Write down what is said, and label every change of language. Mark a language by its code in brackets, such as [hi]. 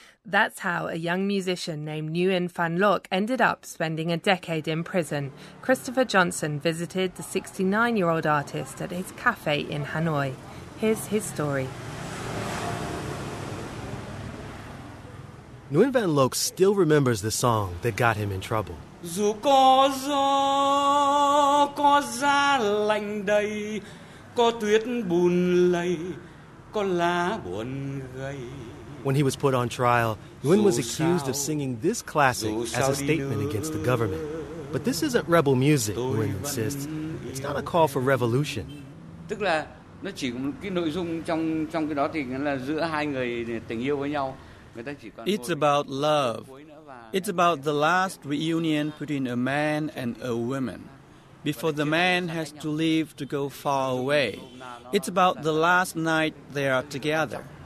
[en] That's how a young musician named Nguyen Phan Loc ended up spending a decade in prison. Christopher Johnson visited the 69-year-old artist at his cafe in Hanoi. Here's his story. Nguyen Phan Loc still remembers the song that got him in trouble. [vi] Dù có gió có giá lạnh đầy, có tuyết bùn lầy, có lá buồn gầy. [en] When he was put on trial, Nguyen was accused of singing this classic as a statement against the government. But this isn't rebel music, Nguyen insists. It's not a call for revolution. [vi] Tức là nó chỉ cái nội dung trong cái đó thì là giữa hai người tình yêu với nhau. [en] It's about love. It's about the last reunion between a man and a woman. Before the man has to leave to go far away. It's about the last night they are together.